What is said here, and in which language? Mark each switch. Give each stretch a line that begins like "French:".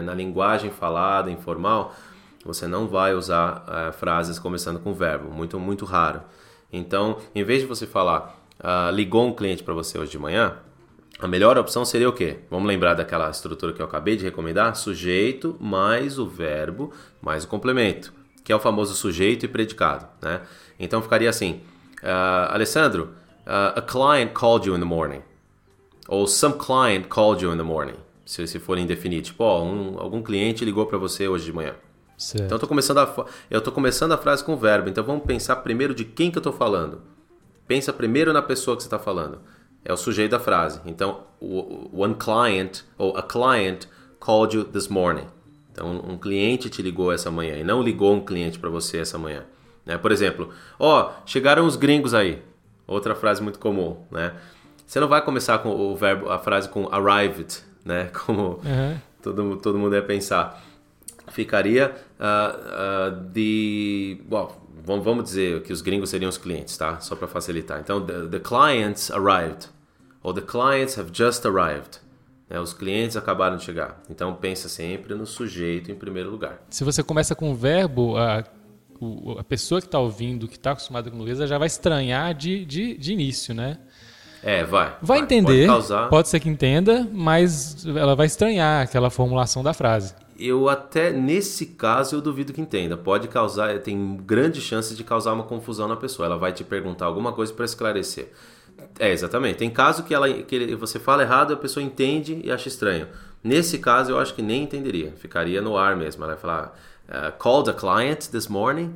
Portuguese: Na linguagem falada, informal, você não vai usar frases começando com verbo, muito, muito raro. Então, em vez de você falar, ligou um cliente para você hoje de manhã, a melhor opção seria o quê? Vamos lembrar daquela estrutura que eu acabei de recomendar? Sujeito mais o verbo mais o complemento, que é o famoso sujeito e predicado, né? Então, ficaria assim,
English: Alessandro, a client called you in the morning. Ou some client called you in the morning.
Portuguese: Se for indefinido. Tipo, ó, algum cliente ligou para você hoje de manhã. Certo. Então, eu tô começando a frase com o verbo. Então, vamos pensar primeiro de quem que eu tô falando. Pensa primeiro na pessoa que você está falando. É o sujeito da frase.
English: Então, one client ou a client called you this morning.
Portuguese: Então, um cliente te ligou essa manhã e não ligou um cliente para você essa manhã. Né? Por exemplo, ó, chegaram os gringos aí. Outra frase muito comum, né? Você não vai começar com o verbo, a frase com arrived, né? Como todo mundo ia pensar. Ficaria de... Bom, vamos dizer que os gringos seriam os clientes, tá? Só para facilitar.
English: Então, the clients arrived. Ou the clients have just arrived. Né?
Portuguese: Os clientes acabaram de chegar. Então, pensa sempre no sujeito em primeiro lugar. Se você começa com o verbo, a pessoa que está ouvindo, que está acostumada com o inglês, já vai estranhar de início, né? É, vai. Vai entender, pode ser que entenda, mas ela vai estranhar aquela formulação da frase. Eu até, nesse caso, eu duvido que entenda. Pode causar, tem grande chance de causar uma confusão na pessoa. Ela vai te perguntar alguma coisa para esclarecer. É, exatamente. Tem caso que, você fala errado e a pessoa entende e acha estranho. Nesse caso, eu acho que nem entenderia. Ficaria no ar mesmo. Ela ia falar,
English: called a client this morning.